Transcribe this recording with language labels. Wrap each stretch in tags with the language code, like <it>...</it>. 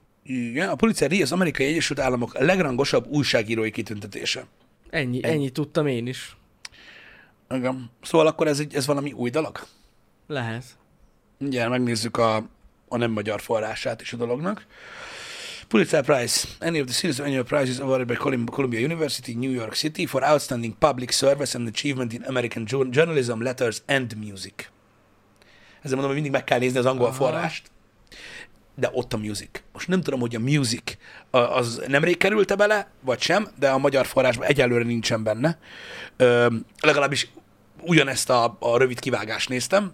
<hu>Igen, a Pulitzer díj az Amerikai Egyesült Államok legrangosabb újságírói kitüntetése. Ennyi tudtam én is. Igen. Szóval akkor ez valami új dolog? Lehet. Ugye, megnézzük a nem magyar forrását is a dolognak. Pulitzer Prize.</hu> <en>Any of the series of annual prizes awarded by Columbia University, New York City for outstanding public service and achievement in American journalism, letters and music.</en> <hu>Ezzel mondom, hogy mindig meg kell nézni az angol forrást. De ott a music. Most nem tudom, hogy a music az nemrég került-e bele, vagy sem, de a magyar forrásban egyelőre nincsen benne. Legalábbis ugyanezt a rövid kivágást néztem.</hu>